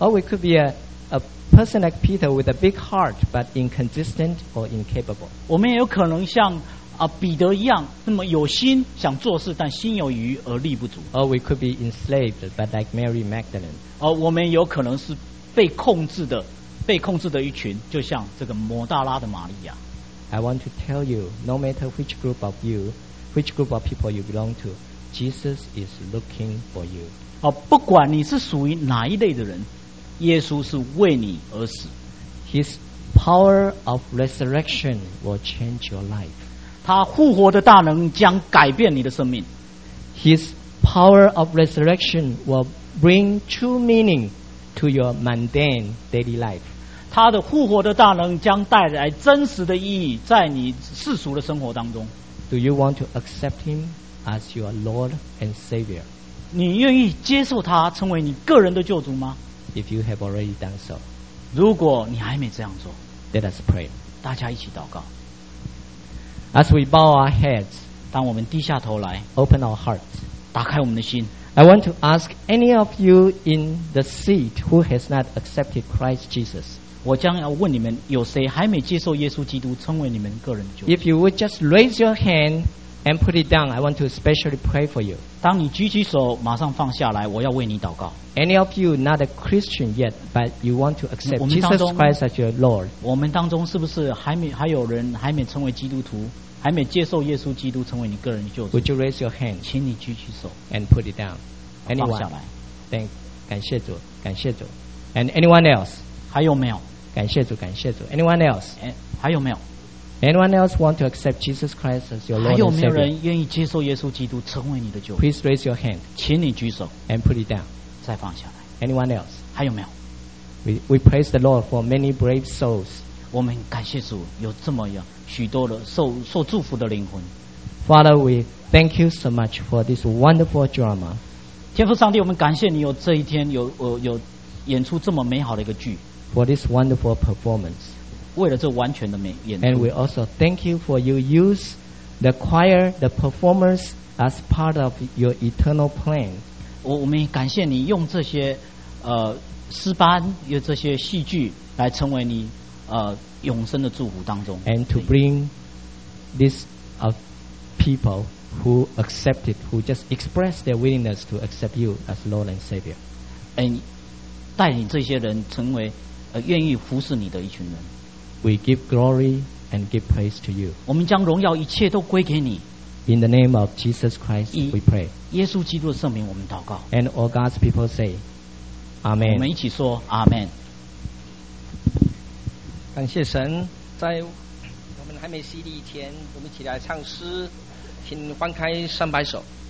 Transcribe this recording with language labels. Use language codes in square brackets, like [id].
[en] Or we could be a person like Peter with a big heart but inconsistent or incapable. [zh] 我们也有可能像彼得一样，那么有心想做事但心有余而力不足。 [en] Or we could be enslaved but like Mary Magdalene. [zh] 我们有可能是被控制的一群，就像这个抹大拉的玛利亚。 [en] I want to tell you, no matter which group of you, which group of people you belong to, Jesus is looking for you. [zh] 不管你是属于哪一类的人，耶稣是为你而死。 [en] His power of resurrection will change your life. [zh] 他复活的大能将改变你的生命。 [en] His power of resurrection will bring true meaning to your mundane daily life. [zh] 他的复活的大能将带来真实的意义在你世俗的生活当中。 [en] Do you want to accept him as your Lord and Savior? [zh] 你愿意接受他成为你个人的救主吗？ [en] If you have already done so， [zh] 如果你还没这样做， [en] Let us pray， [zh] 大家一起祷告。 [en] As we bow our heads， [zh] 当我们低下头来， [en] Open our hearts， [zh] 打开我们的心。 [en] I want to ask any of you in the seat who has not accepted Christ Jesus， [zh] 我将要问你们有谁还没接受耶稣基督成为你们个人的救主。 [en] If you would just raise your hand and put it down， I want to especially pray for you。 [zh] 当你举起手马上放下来，我要为你祷告。 [en] Any of you not a Christian yet but you want to accept Jesus Christ as your Lord， [zh] 我们当中是不是还有人还没成为基督徒，还没接受耶稣基督成为你个人的救主？ [en] Would you raise your hand？ [zh] 请你举起手。 [en] And put it down。 Anyone？ [zh] 放下来。 [en] Thank， [zh] 感谢主，感谢主。 [en] And anyone else？ [zh] 还有没有？感谢主，感谢主。 [en] Anyone else？ [zh] 还有没有？ [en] Anyone else want to accept Jesus Christ as your Lord and Savior？ [zh] 还有没有人愿意接受耶稣基督成为你的救主？ [en] Please raise your hand。 [zh] 请你举手。 [en] And put it down。 [zh] 再放下来。 [en] Anyone else？ [zh] 还有没有？ [en] We praise the Lord for many brave souls。 [zh] 我们感谢主，有这么样许多的受祝福的灵魂。 [en] Father, we thank you so much for this wonderful drama. [zh] 天父上帝，我们感谢你有这一天有演出这么美好的一个剧。 [en] For this wonderful performance. [zh] 为了这完全的美演出。 [en] And we also thank you for you use the choir, the performers as part of your eternal plan. [zh] 我们也感谢你用这些诗班有这些戏剧来成为你永生的祝福当中。 [en] And to bring this people who accepted, who just expressed their willingness to accept you as Lord and Savior, [zh] and 带领这些人成为愿意服侍你的一群人。 [en] We give glory and give praise to you. [zh] 我们将荣耀一切都归给你。 [en] In the name of Jesus Christ, we pray. [zh] 耶稣基督的圣名，我们祷告。 [en] And all God's people say, Amen. [zh] 我们一起说 Amen。感谢神，在我们还没洗礼以前，我们一起来唱诗，请翻开三百首。